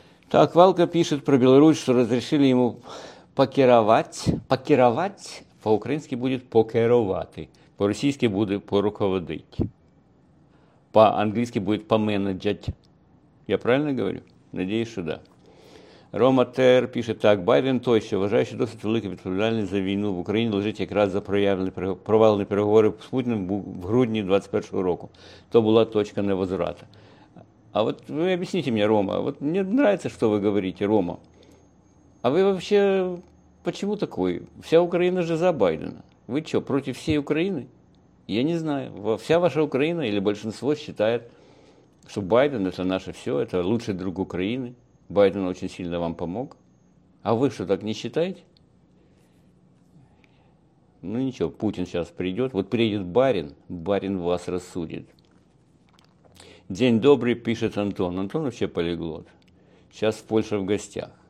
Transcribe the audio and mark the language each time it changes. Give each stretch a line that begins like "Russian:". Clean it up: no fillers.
Russian: Так, Валка пишет про Беларусь, что разрешили ему покеровать. Покеровать по-украински будет покеровати. По-российски будет поруководить. По-английски будет поменеджать. Я правильно говорю? Надеюсь, что да. Рома Тер пишет так.
Ukrainian: Байден тощо, вважаючи досить великою відповідальність за війну в Україні, лежить якраз за провалені переговори з Путіним в грудні 21-го року. То була точка невозврата. А от ви об'ясніть мені, Рома, от мені подобається, що ви говорите, Рома. А ви взагалі, чому такий? Вся Україна ж за Байдена. Ви що, проти всієї України? Я не знаю. Вся ваша Україна або більшість вважає, що Байден – це наше все, це кращий друг України.
Russian: Байден очень сильно вам помог. А вы что, так не считаете? Ну ничего, Путин сейчас придет. Вот приедет барин, барин вас рассудит. День добрый, пишет Антон. Антон вообще полиглот. Сейчас в Польше в гостях.